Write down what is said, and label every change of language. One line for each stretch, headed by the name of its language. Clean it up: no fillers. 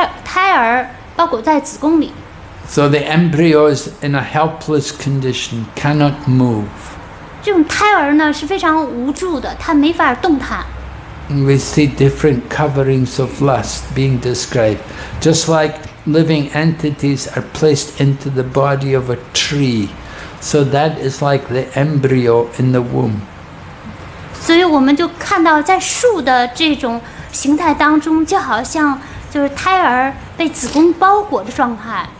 Chinese: 第三种类型呢，就好像子宫包裹在胎儿包裹在子宫里。
English: So the embryo is in a helpless condition, cannot move.
Chinese: 这种胎儿呢是非常无助的，它没法动弹。
English: We see different coverings of lust being described, just like living entities are placed into the body of a tree. So that is like the embryo in the womb.
Chinese: 所以我们就看到，在树的这种形态当中，就好像就是胎儿被子宫包裹的状态。